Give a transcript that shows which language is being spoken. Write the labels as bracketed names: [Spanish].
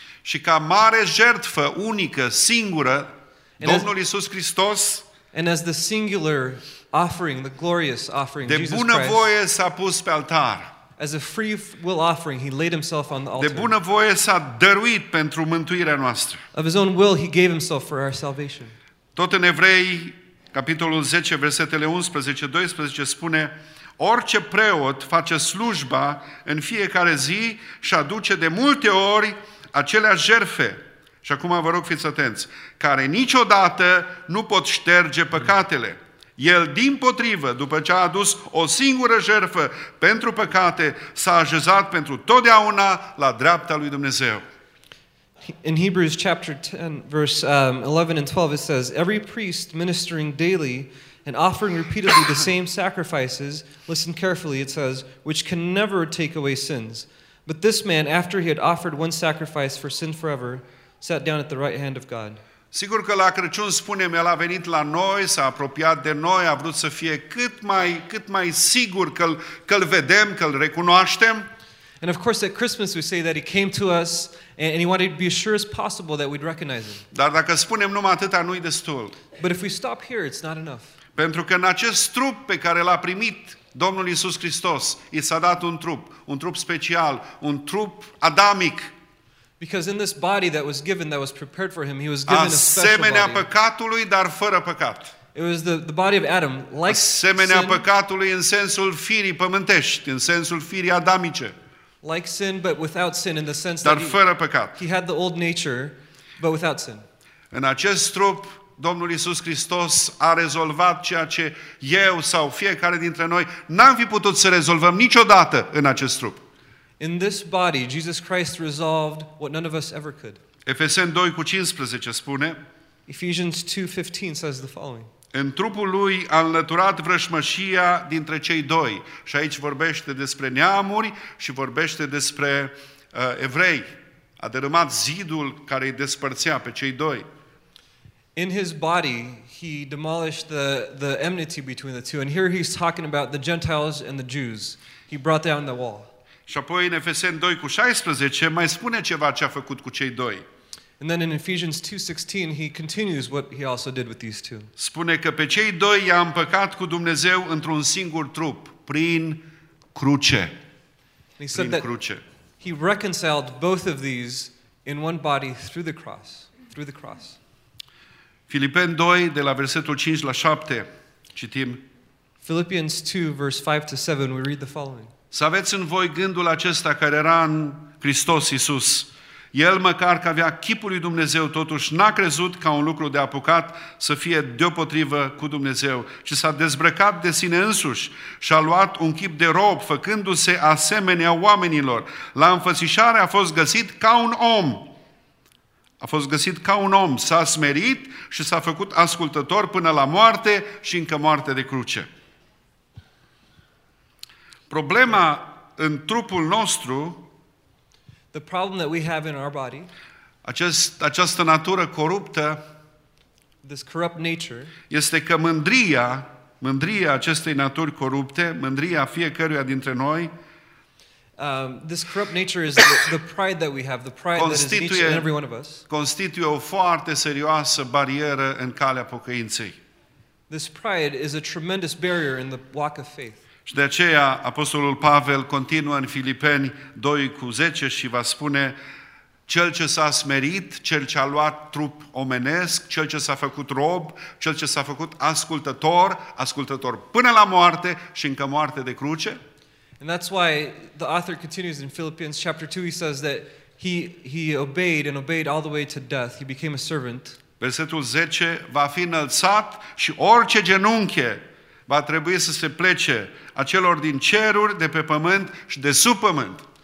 [Romanian] Și ca mare jertfă unică, singură, Domnul Iisus Hristos. [English] And as the singular offering, the glorious offering, [Romanian] de bună voie s-a pus pe altar. [English] As a free will offering, he laid himself on the altar. [Romanian] De bună voie s-a dăruit pentru mântuirea noastră. [English] Of his own will, he gave himself for our salvation. [Romanian] Tot în Evrei, capitolul 10, versetele 11-12, spune, orice preot face slujba în fiecare zi și aduce de multe ori aceleași jertfe. Și acum vă rog fiți atenți, care niciodată nu pot șterge păcatele. El, dimpotrivă, după ce a adus o singură jertfă pentru păcate, s-a așezat pentru totdeauna la dreapta lui Dumnezeu. [English] In Hebrews chapter 10, verse 11 and 12, it says, every priest ministering daily and offering repeatedly the same sacrifices, listen carefully, it says, which can never take away sins. But this man, after he had offered one sacrifice for sin forever, sat down at the right hand of God. [Romanian] Sigur că la Crăciun spunem, el a venit la noi, s-a apropiat de noi, a vrut să fie cât mai sigur că-l vedem, că-l recunoaștem. [English] And of course at Christmas we say that he came to us and he wanted to be as sure as possible that we'd recognize him. [Romanian] Dar dacă spunem numai atâta, nu-i destul. [English] But if we stop here, it's not enough. [Romanian] Pentru că în acest trup pe care l-a primit Domnul Iisus Hristos, i s-a dat un trup, un trup special, un trup adamic. [English] Because in this body that was given, that was prepared for him, he was given a special body. [Romanian] Asemenea păcatului, dar fără păcat. [English] It was the body of Adam, like [Romanian] asemenea sin, păcatului în sensul firii pământești, în sensul firii adamice. [English] Like sin, but without sin, in the sense [Romanian] dar [English] that [Romanian] fără păcat. [English] He had the old nature, but without sin. [Romanian] În acest trup, Domnul Iisus Hristos a rezolvat ceea ce eu sau fiecare dintre noi n-am fi putut să rezolvăm niciodată în acest trup. [English] In this body, Jesus Christ resolved what none of us ever could. [Romanian] Efeseni 2 cu 15 spune. [English] Ephesians 2:15 says the following. [Romanian] În trupul lui a înlăturat vrășmășia dintre cei doi. Și aici vorbește despre neamuri și vorbește despre evrei. A dărâmat zidul care îi despărțea pe cei doi. [English] In his body, he demolished the enmity between the two. And here he's talking about the Gentiles and the Jews. He brought down the wall. [Romanian] Și apoi în Efeseni 2 cu 16 mai spune ceva ce a făcut cu cei doi. [English] And then in Ephesians 2:16 he continues what he also did with these two. [Romanian] Spune că pe cei doi i-a împăcat cu Dumnezeu într-un singur trup, prin cruce. [English] He said [Romanian] prin cruce. [English] He reconciled both of these in one body through the cross, through the cross. [Romanian] Filipeni 2 de la versetul 5 la 7 citim. [English] Philippians 2 verse 5 to 7 we read the following. [Romanian] Să aveți în voi gândul acesta care era în Hristos Iisus. El, măcar că avea chipul lui Dumnezeu, totuși n-a crezut ca un lucru de apucat să fie deopotrivă cu Dumnezeu, ci s-a dezbrăcat de sine însuși și a luat un chip de rob, făcându-se asemenea oamenilor. La înfățișare a fost găsit ca un om. A fost găsit ca un om, s-a smerit și s-a făcut ascultător până la moarte și încă moarte de cruce. Problema în trupul nostru, [English] the problem that we have in our body, [Romanian] această natură coruptă, [English] this corrupt nature, [Romanian] este că mândria acestei naturi corupte, mândria fiecăruia dintre noi, [English] this corrupt nature is the pride that we have, the pride that is each and every one of us, [Romanian] constituie o foarte serioasă barieră în calea pocăinței. [English] This pride is a tremendous barrier in the walk of faith. [Romanian] Și de aceea Apostolul Pavel continuă în Filipeni 2 cu 10 și va spune cel ce s-a smerit, cel ce a luat trup omenesc, cel ce s-a făcut rob, cel ce s-a făcut ascultător până la moarte și încă moarte de cruce. [English] And that's why the author continues in Philippians chapter 2, he says that he obeyed and obeyed all the way to death, he became a servant. [Romanian] Versetul 10, va fi înălțat și orice genunche va trebui să se plece a celor din ceruri, de pe pământ și de sub pământ.